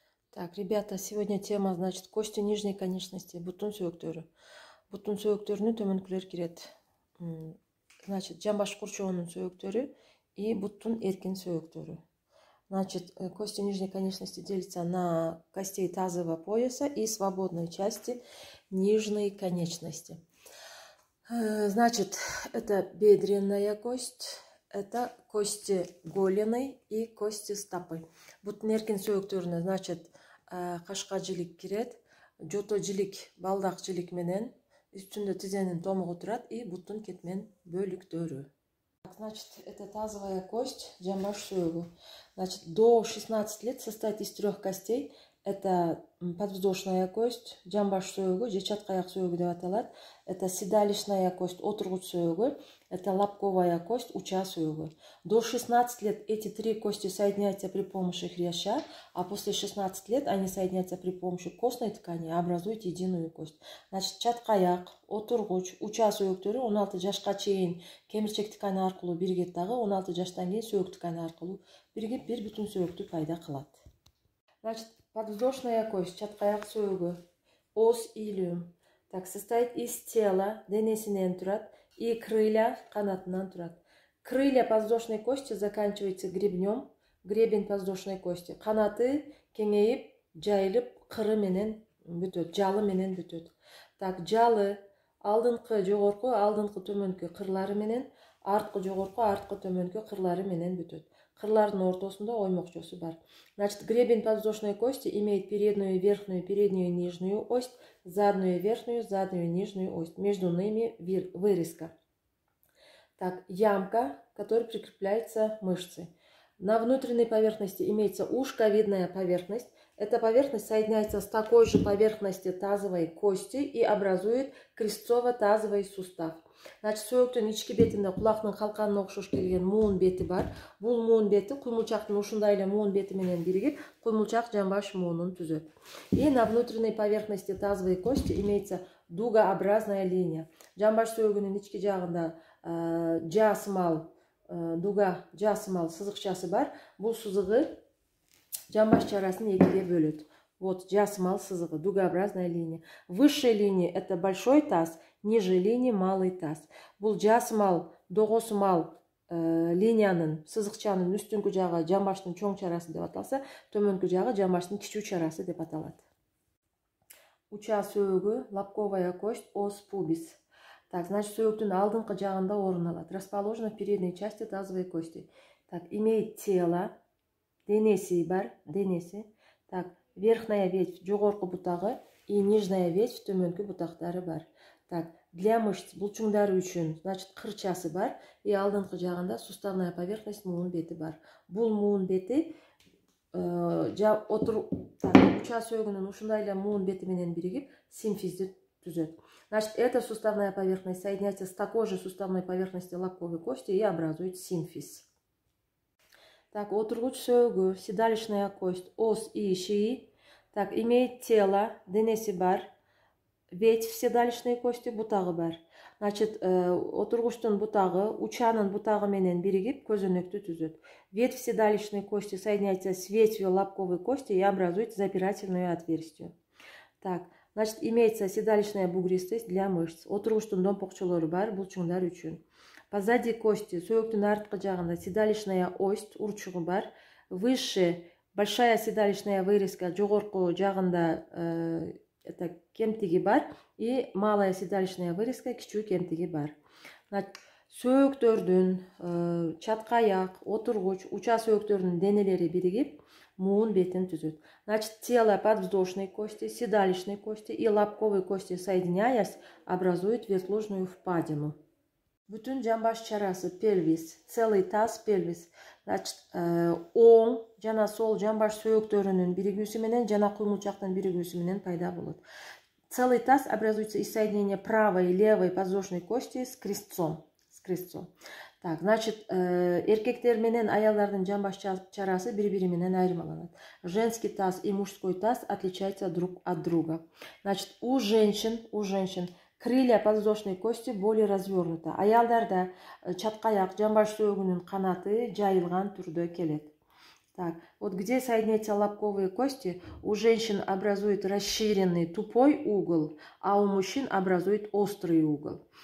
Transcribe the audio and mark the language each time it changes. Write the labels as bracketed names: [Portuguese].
[Russian] Так, ребята, сегодня тема, значит, кости нижней конечности, [Kazakh] бутон сүйектері. Бутон сүйектерінің төменгілер келеді. Значит, жамбас курчуғының сүйектері и бутон еркін сүйектері. [Russian] Значит, кости нижней конечности делятся на костей тазового пояса и свободной части нижней конечности. Значит, это бедренная кость. Это кости голени и кости стопы. [Kyrgyz] Бутон эркин сөөктөрүнө, значит, кашка жилик кирет, жото жилик, балдак жилик менен, үстүндө тизенин томугу турат и бутун кетмен бөлүктөрү. [Russian] Значит, это тазовая кость, [Kyrgyz] жамбаш сөөгү. [Russian] Значит, до 16 лет состоит из трех костей. Это подвздошная кость, жамбаш сөөгү, же чаткаяк сөөгү деп аталат. Это седалищная кость, [Kyrgyz] отургуч сөөгү. [Russian] Это лобковая кость, [Kyrgyz] уча сөөгү. [Russian] До 16 лет эти три кости соединяются при помощи хряща, а после 16 лет они соединяются при помощи костной ткани и образуют единую кость. [Kyrgyz] Значит, чаткаяк, отургуч, уча сөөктөрү 16 жашка чейин кемирчек тканы аркылуу биригет дагы, 16 жаштан кийин сөөк тканы аркылуу биригип бир бүтүн сөөктү пайда кылат. [Russian] Значит, подвздошная кость, [Kyrgyz] чаткаяк сөөгү, [Russian] ос илюм. Так, состоит из тела, [Kyrgyz] денесинен турат, [Russian] и крылья, [Kyrgyz] канатынан турат. [Russian] Крылья подвздошной кости заканчиваются гребнем, гребень подвздошной кости. [Kyrgyz] Канаты кеңейип, жайылып, кыры менен бүтөт, жалы менен бүтөт. Так, жалы алдыңкы жогорку, алдыңкы төмөнкү кырлары менен, арткы жогорку, арткы төмөнкү кырлары менен бүтөт. Кырлардын ортосунда оймокчосу бар. [Russian] Значит, гребень подвздошной кости имеет переднюю, верхнюю, переднюю и нижнюю ось, заднюю, верхнюю, заднюю, нижнюю ось. Между ними вырезка. Так, ямка, которой прикрепляются мышцы. На внутренней поверхности имеется ушковидная поверхность. Эта поверхность соединяется с такой же поверхностью тазовой кости и образует крестцово-тазовый сустав. [Kyrgyz] Значит, сөөктүн ички бетинде кулактын калканына окшош келген муун бети бар. Бул муун бети куймулчактын ушундай эле муун бети менен биригип, куймулчак жамбаш муунун түзөт. [Russian] И на внутренней поверхности тазовой кости имеется дугообразная линия. [Kyrgyz] Жамбаш сөөгүнүн ички жагында жасымал, дуга жасымал сызыкчасы бар. Бул сызыгы жамбаш чарасын экиге бөлөт. [Russian] Вот [Kyrgyz] жасымал сызыгы, [Russian] дугообразная линия. Высшая линия это большой таз. Ниже линии малый таз. [Kyrgyz] Бул жасымал, догосумал линиянын сызыкчанын үстүнкү жагы жамбаштын чоң чарасы деп аталса, төмөнкү жагы жамбаштын кичүү чарасы деп аталат. Уча сөөгү, [Russian] лобковая кость, ос пубис. [Kyrgyz] Так, значит, сөөктүн алдыңкы жагында орун алат. [Russian] Расположена в передней части тазовой кости. Так, имеет тело, [Kyrgyz] денеси бар, денеси. [Russian] Так, верхняя ветвь, [Kyrgyz] жогорку бутагы [Russian] и нижняя ветвь, [Kyrgyz] төмөнкү бутактары бар. Так, [Russian] для мышц, [Kyrgyz] булчуңдары үчүн, значит, кырчасы бар, и алдыңкы жагында [Russian] суставная поверхность [Kyrgyz] муун бети бар. Бул муун бети уча сөөгүнүн ушундай эле муун бети менен биригип симфизди түзөт. [Russian] Значит, эта суставная поверхность соединяется с такой же суставной поверхностью лобковой кости и образует симфиз. Так, [Kyrgyz] отургуч сөөгү, [Russian] седалищная кость, ос и ши. Так, имеет тело, [Kyrgyz] денеси бар. [Russian] Ветвь седалищной кости [Kyrgyz] бутагы бар. Значит, отургучтун бутагы, учанын бутагы менен биригип, көзөнөктү түзөт. [Russian] Ветвь седалищной кости соединяется с ветвью лобковой кости и образует запирательную отверстие. Так, значит, имеется седалищная бугристость для мышц. [Kyrgyz] Отургучтун домпокчолору бар, булчуңдар үчүн. [Russian] Позади кости, [Kyrgyz] сөөктүн арткы жагында [Russian] седалищная ось, [Kyrgyz] урчугу бар. [Russian] Выше, большая седалищная вырезка, [Kyrgyz] жогорку жагында [Russian] это [Kyrgyz] кемтиги бар [Russian] и малая седалищная вырезка [Kyrgyz] кичүү кемтиги бар. Сөөктөрдүн чаткаяк, отургуч, уча сөөктөрдүн денелери биригип муун бетин түзөт. [Russian] Значит, тело подвздошной кости, седалищной кости и лобковой кости соединяясь образуют вертлужную впадину. [Kyrgyz] Бүтүн жамбаш чарасы пельвис, [Russian] целый таз [Kyrgyz] пельвис. Значит, оң жана сол жамбаш сөөктөрүнүн биригүүсү менен жана куймулчактын биригүүсү менен пайда болот. [Russian] Целый таз образуется из соединения правой и левой подвздошной кости с крестцом. [Kyrgyz] Так, значит, эркектер менен аялдардын жамбаш чарасы бири-бири менен айырмаланат. [Russian] Женский таз и мужской таз отличаются друг от друга. Значит, у женщин крылья подвздошной кости более развернуты. [Kyrgyz] Аялдарда чаткаяк жамбаш сөөгүнүн канаты жайылган түрдө келет. [Russian] Так, вот где соединяются лобковые кости, у женщин образует расширенный тупой угол, а у мужчин образует острый угол.